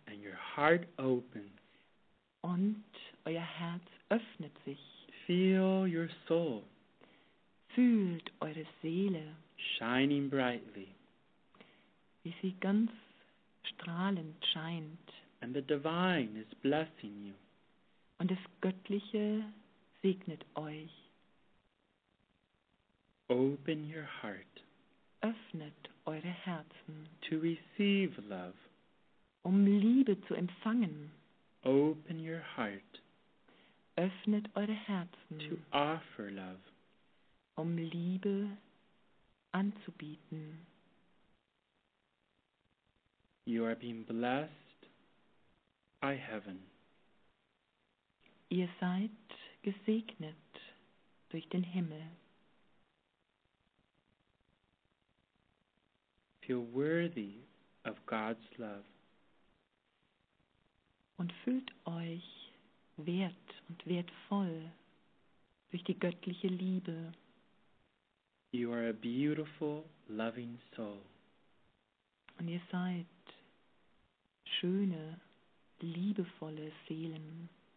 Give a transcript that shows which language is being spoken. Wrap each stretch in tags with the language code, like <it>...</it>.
<en>And your heart opens.</en> <de>Und euer Herz öffnet sich.</de> <en>Feel your soul.</en> <de>Fühlt eure Seele.</de> <en>Shining brightly.</en> <de>Wie sie ganz strahlend scheint.</de> <en>And the divine is blessing you.</en> <de>Und das Göttliche segnet euch.</de> <en>Open your heart.</en> <de>Öffnet eure Herzen.</de> <en>To receive love.</en> <de>Um Liebe zu empfangen.</de> <en>Open your heart.</en> <de>Öffnet eure Herzen.</de> <en>To offer love.</en> <de>Um Liebe anzubieten.</de> <en>You are being blessed by heaven.</en> <de>Ihr seid gesegnet durch den Himmel.</de> <en>Feel worthy of God's love.</en> <de>Und fühlt euch wert und wertvoll durch die göttliche Liebe.</de> <en>You are a beautiful, loving soul.</en> <de>Und ihr seid schöne, liebevolle Seelen.</de>